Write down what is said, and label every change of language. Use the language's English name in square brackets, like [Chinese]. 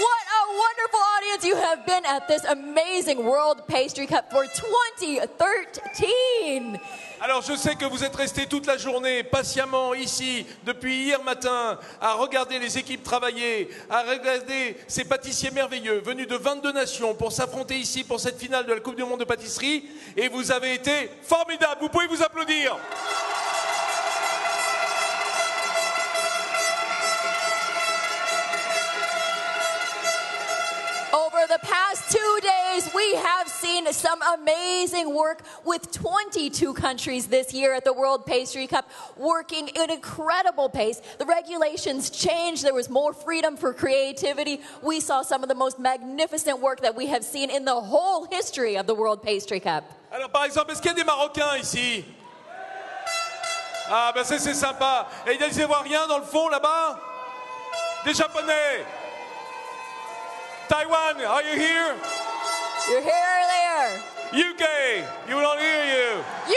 [English] What a wonderful audience you have been at this amazing World Pastry Cup for 2013. [French] Alors je sais que vous êtes resté toute la journée patiemment ici depuis hier matin à regarder les équipes travailler, à regarder ces pâtissiers merveilleux venus de 22 nations pour s'affronter ici pour cette finale de la Coupe du Monde de pâtisserie, et vous avez été formidables, vous pouvez vous applaudir. [English] Over the past 2 days, we have seen some amazing work with 22 countries this year at the World Pastry Cup, working at an incredible pace. The regulations changed. There was more freedom for creativity. We saw some of the most magnificent work that we have seen in the whole history of the World Pastry Cup. [French] Alors, par exemple, est-ce qu'il y a des Marocains ici? Ah, ben c'est sympa. Et il y a des Ivoiriens dans le fond, là-bas? Des Japonais? [English] Taiwan, are you here? You're here or there? UK, you don't hear you.